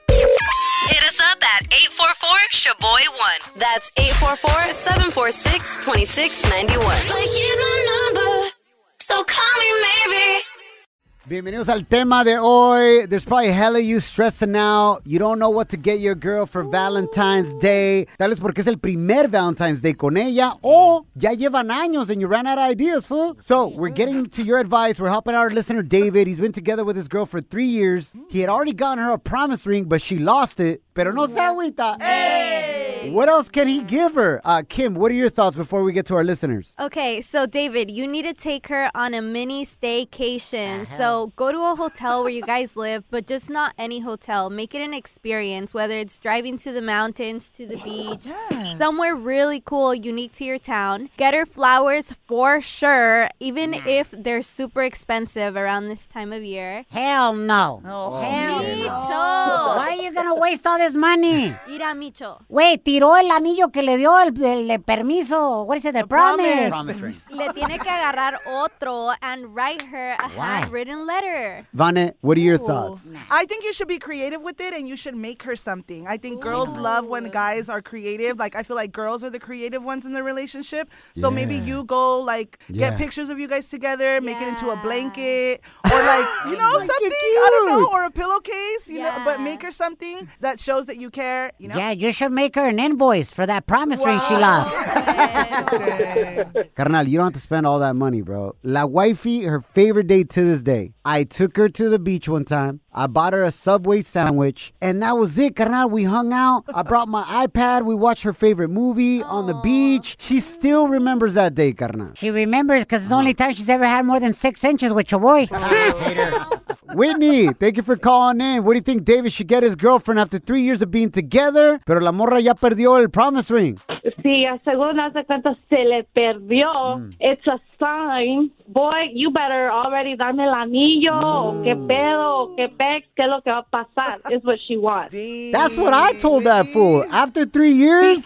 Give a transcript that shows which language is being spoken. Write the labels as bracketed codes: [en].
[en] Hit us up at 844-SHEBOY1. That's 844-746-2691. But here's my number, so call me maybe. [es] Bienvenidos al tema de hoy. [en] There's probably hella you stressing out. You don't know what to get your girl for Valentine's Day. [es] Tal vez porque es el primer Valentine's Day con ella. O ya llevan años [en] and you ran out of ideas, fool. So we're getting to your advice. We're helping our listener, David. He's been together with his girl for 3 years. He had already gotten her a promise ring, but she lost it. [es] Pero no se agüita. [en] Hey! What else can he give her? Kim, what are your thoughts before we get to our listeners? Okay, so David, you need to take her on a mini staycation. Uh-huh. So go to a hotel where you guys live, but just not any hotel. Make it an experience, whether it's driving to the mountains, to the beach, somewhere really cool, unique to your town. Get her flowers for sure, even if they're super expensive around this time of year. Hell no. Oh, hell no. Micho. Why are you going to waste all this money? [es] Mira, Micho. [en] Wait. [es] tiró el anillo que le dio el permiso. [en] What is it? The promise. [es] Le tiene que agarrar otro [en] and write her a handwritten letter. Vane, what are your thoughts? I think you should be creative with it and you should make her something. I think girls love when guys are creative. Like, I feel like girls are the creative ones in the relationship. So maybe you go, like, get pictures of you guys together, make it into a blanket or, like, you know, like something. I don't know. Or a pillowcase, you know, but make her something that shows that you care, you know? Yeah, you should make her an invoice for that promise ring she lost. Carnal, you don't have to spend all that money, bro. La wifey, her favorite date to this day. I took her to the beach one time. I bought her a Subway sandwich. And that was it, carnal. We hung out. I brought my iPad. We watched her favorite movie on the beach. She still remembers that day, carnal. She remembers because it's the only time she's ever had more than 6 inches with your boy. Whitney, thank you for calling in. What do you think David should get his girlfriend after 3 years of being together? [es] Pero la morra ya perdió el [en] promise ring. [es] Sí, según hace cuánto se le perdió. [en] It's a sign. Boy, you better already [es] darme el anillo. Qué pedo, qué pex, qué es lo que va a pasar. [en] Is what she wants. That's what I told that fool. After 3 years?